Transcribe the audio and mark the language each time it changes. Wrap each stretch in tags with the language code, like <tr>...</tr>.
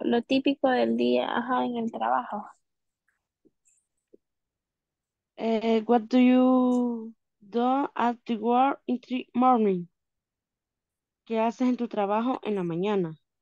<es>lo típico del día, ajá, en el trabajo.</es> <en>What do you do at the work in the morning?</en> <es>¿Qué haces en tu trabajo en la mañana?</es>